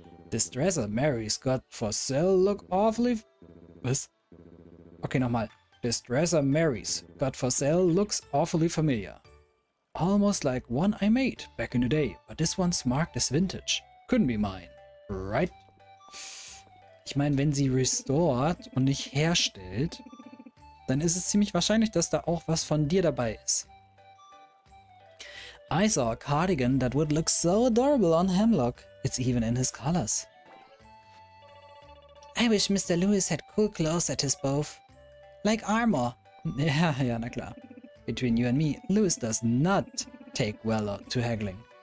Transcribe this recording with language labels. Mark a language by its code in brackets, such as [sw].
[en] This dresser Mary's got for sale look awfully... [de] Was? Okay, nochmal. [en] This dresser Mary's got for sale looks awfully familiar. Almost like one I made back in the day, but this one's marked as vintage. Couldn't be mine, right? [de] Ich meine, wenn sie restored und nicht herstellt, dann ist es ziemlich wahrscheinlich, dass da auch was von dir dabei ist. [en] I saw a cardigan that would look so adorable on Hemlock. It's even in his colors. I wish Mr. Lewis had cool clothes at his booth. Like armor. [de] Ja, na klar. [en] Between you and me, Lewis does not take well to haggling.